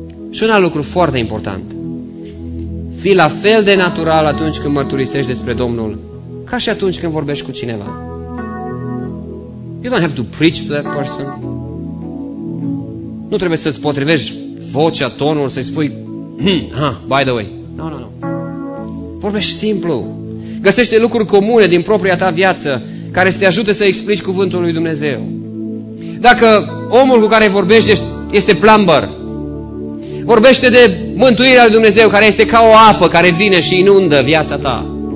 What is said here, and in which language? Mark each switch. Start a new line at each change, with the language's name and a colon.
Romanian: Și un alt lucru foarte important. Fii la fel de natural atunci când mărturisești despre Domnul, ca și atunci când vorbești cu cineva.
English: You don't have to preach to that person.
Romanian: Nu trebuie să-ți potrivești vocea, tonul, să-i spui,
English: by the way.
Romanian: No. Vorbești simplu. Găsește lucruri comune din propria ta viață care să te ajute să explici cuvântul lui Dumnezeu. Dacă omul cu care vorbești este plumber, vorbește de mântuirea lui Dumnezeu care este ca o apă care vine și inundă viața ta.